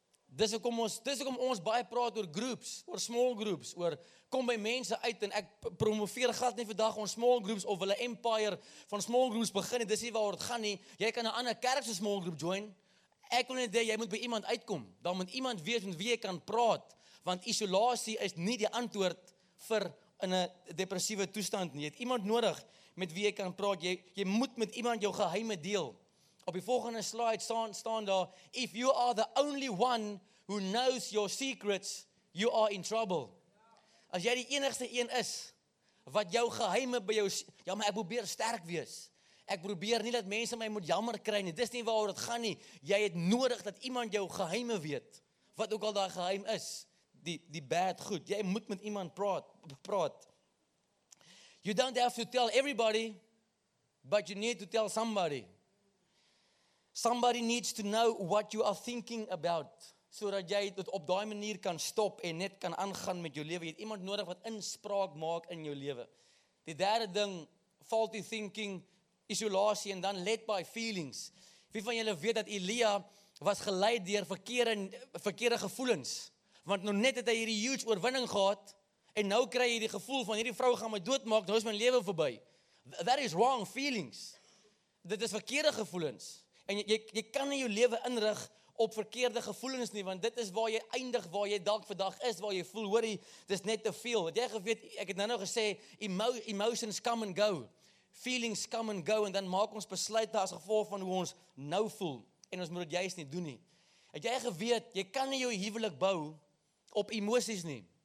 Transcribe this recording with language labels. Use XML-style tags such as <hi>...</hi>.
<af>Dis hoekom ons baie praat oor groups, oor small groups, oor kom by mense uit en ek promoveer glad nie vandag ons small groups of hulle empire van small groups begin, dis nie waar dit gaan nie. Jy kan 'n ander kerk se small group join. Ek wil net sê, jy moet by iemand uitkom. Dan moet iemand weet met wie jy kan praat, want isolasie is nie die antwoord vir in 'n depressiewe toestand nie. Jy het iemand nodig met wie jy kan praat. Jy moet met iemand jou geheime deel.</af> <en>Op die volgende slide staan daar, if you are the only one who knows your secrets, you are in trouble.</en> <af>As jy die enigste een is, wat jou geheime by jou, ja maar ek probeer sterk wees. Ek probeer nie dat mense my moet jammer kry nie. Dis nie waar dit gaan nie. Jy het nodig dat iemand jou geheime weet, wat ook al daai geheim is. Die bad goed, jy moet met iemand praat.</af> <en>You don't have to tell everybody, but you need to tell somebody. Somebody needs to know what you are thinking about.</en> <af>sodat jy dit op daai manier kan stop en net kan aangaan met jou lewe. Jy het iemand nodig wat inspraak maak in jou lewe. Die derde ding, faulty thinking, isolasie en dan led by feelings. Wie van julle weet dat Elia was gelei deur verkeerde gevoelens? Want nou net het hy hierdie huge oorwinning gehad en nou kry jy die gevoel van hierdie vrou gaan my doodmaak, nou is my lewe verby.</af> <en>That is wrong feelings.</en> <af>Dit is verkeerde gevoelens. En jy kan nie jou lewe inrig op verkeerde gevoelens nie, want dit is waar jy eindig, waar jy dalk vandag is, waar jy voel, hoorie, dit is net te veel. Het jy geweet, ek het nou gesê, emotions come and go. Feelings come and go, en dan maak ons besluit as gevolg van hoe ons nou voel. En ons moet dit juist nie doen nie. Het jy geweet, jy kan nie jou huwelik bou op emoties nie.</af>